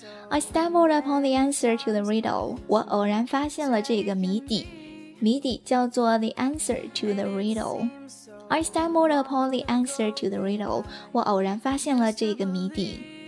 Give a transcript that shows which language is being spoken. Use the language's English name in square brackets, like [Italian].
[English] I stumbled upon the answer to the riddle. [Chinese] 我偶然发现了这个谜底。谜底叫做 [English] the answer to the riddle. I stumbled upon the answer to the riddle. [Chinese] 我偶然发现了这个谜底。